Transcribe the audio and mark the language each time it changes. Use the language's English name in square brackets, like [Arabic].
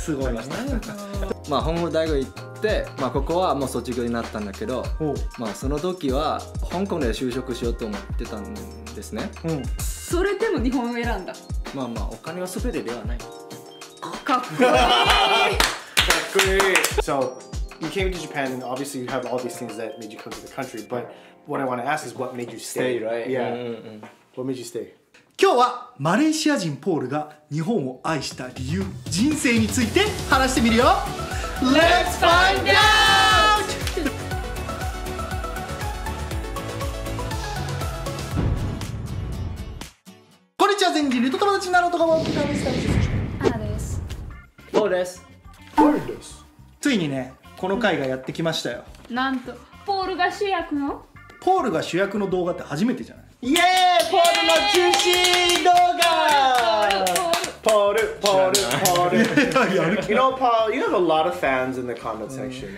[Japanese] すごいました。まあ、香港大学行って、まあ、ここはもう卒業になったんだけど、まあ、その時は香港で就職しようと思ってたんですね。うん、それでも日本を選んだ。まあまあ、お金は全てではない。かっこいい。かっこいい。 [English] So, you came to Japan and obviously you have all these things that made you come to the country, butWhat I want to ask is what made you stay, right? Yeah. What made you stay? [Japanese] 今日はマレーシア人ポールが日本を愛した理由、人生について話してみるよ。 [English] Let's find out! [Japanese] こんにちは、全人類と友達になろうとかも。アナです。ポールです。ポールです。ついにね、この回がやってきましたよ。なんと、ポールが主役の、ポールが主役の動画って初めてじゃない？イエーイ、ポールの中心動画。ポール、ポール、ポール、ポール。いや、やる気。 [English] You know, Paul, you have a lot of fans in the comment section.